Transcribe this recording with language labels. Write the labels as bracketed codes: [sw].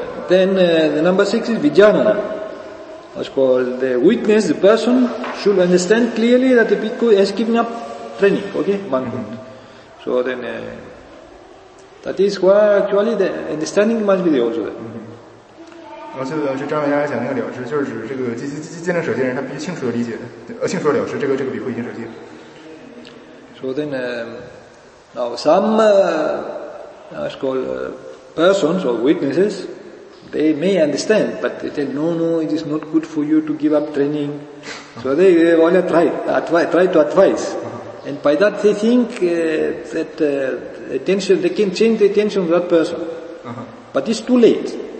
[en] The number six is Vijnana. That's called the witness, the person should understand clearly that the bhikkhu has given up training, okay? Manhood. So then, that is why actually the understanding must be the also. [zh] 然后就张老师讲那个了知，就是指这个见证舍弃人，他必须清楚的理解，清楚的了知，这个bhikkhu已经舍弃了。 [en] So then, now some, that's called, persons or witnesses, they may understand, but they tell, no, it is not good for you to give up training. So they all try to advise. And by that they think that attention, they can change the attention of that person. But it's too late.